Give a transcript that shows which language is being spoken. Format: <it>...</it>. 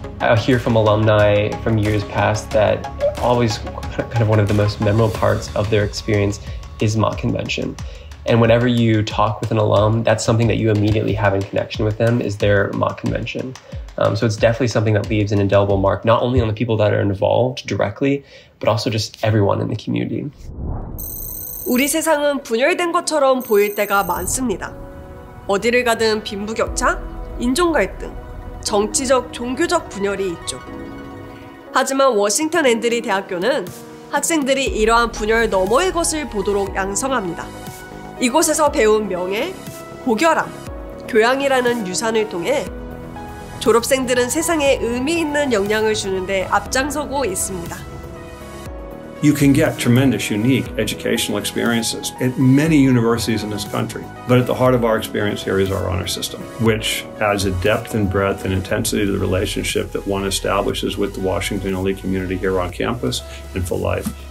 <en>I hear from alumni from years past that always kind of one of the most memorable parts of their experience is mock convention. And whenever you talk with an alum, that's something that you immediately have in connection with them is their mock convention. So it's definitely something that leaves an indelible mark, not only on the people that are involved directly, but also just everyone in the community.</en> <ko>우리 세상은 분열된 것처럼 보일 때가 많습니다. 어디를 가든 빈부격차, 인종 갈등, 정치적, 종교적 분열이 있죠. 하지만 워싱턴 앤드리 대학교는 학생들이 이러한 분열 너머의 것을 보도록 양성합니다. 이곳에서 배운 명예, 고결함, 교양이라는 유산을 통해 졸업생들은 세상에 의미 있는 영향을 주는 데 앞장서고 있습니다.</ko> <en>You can get tremendous, unique educational experiences at many universities in this country. But at the heart of our experience here is our honor system, which adds a depth and breadth and intensity to the relationship that one establishes with the Washington and Lee community here on campus and for life.</en>